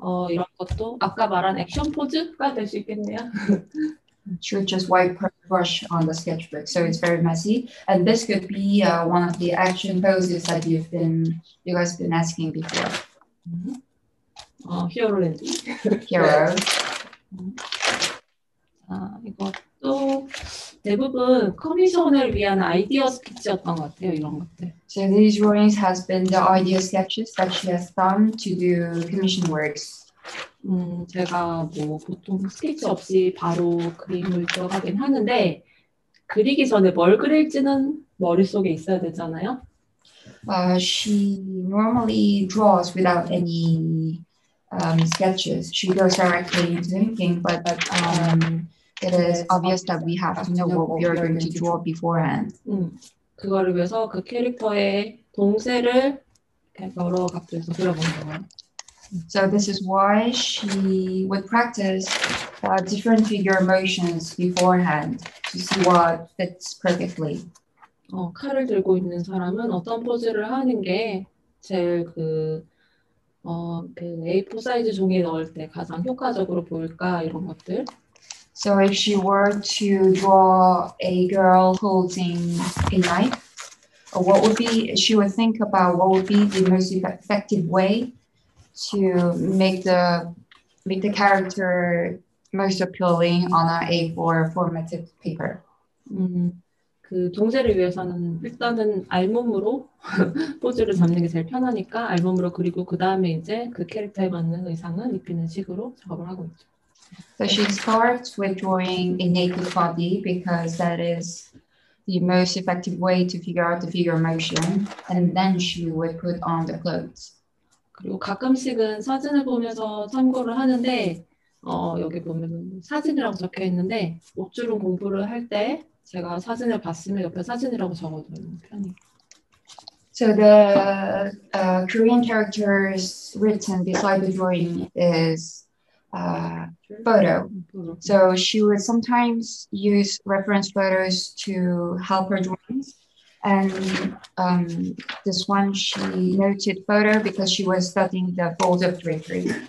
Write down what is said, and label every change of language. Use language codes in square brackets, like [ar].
[ko] 이런 것도 아까 말한 액션 포즈가 될 수 있겠네요. [en] She would just wipe her brush on the sketchbook, so it's very messy. And this could be one of the action poses that you guys have been asking before. Hero lady. Hero. [ko] 이것도 대부분 커미션을 위한 아이디어 스케치였던 것 같아요, 이런 것들. [en] So these drawings has been the idea sketches that she has done to do commission works. [ko] 제가 뭐 보통 스케치 없이 바로 그림을 들어가긴 하는데 그리기 전에 뭘 그릴지는 머릿속에 있어야 되잖아요. [en] She normally draws without any sketches. She goes directly into thinking, but it is obvious that we have to know what we are going to draw beforehand. [ko] 그거를 위해서 그 캐릭터의 동세를 여러 각도에서 그려보는 거예요. [en] So this is why she would practice different figure motions beforehand to see what fits perfectly. [ko] 칼을 들고 있는 사람은 어떤 포즈를 하는 게 제일 그 A4 사이즈 종이 넣을 때 가장 효과적으로 보일까 이런 것들. [en] So if she were to draw a girl holding a knife, she would think about what would be the most effective way to make the character most appealing on an A4 formatted paper. [ko] 그 동세를 위해서는 일단은 알몸으로 포즈를 잡는 게 제일 편하니까 알몸으로 그리고 그 다음에 이제 그 캐릭터에 맞는 의상을 입히는 식으로 작업을 하고 있죠. [en] So she starts with drawing a naked body because that is the most effective way to figure out the figure motion, and then she would put on the clothes. [ko] 그리고 가끔씩은 사진을 보면서 참고를 하는데 여기 보면 사진이라고 적혀 있는데 옷주름 공부를 할 때 제가 사진을 봤으면 옆에 사진이라고 적어두는 편이에요. [en] So the Korean characters written beside the drawing is photo. So she would sometimes use reference photos to help her drawings. And this one, she noted photo because she was studying the folds of drapery.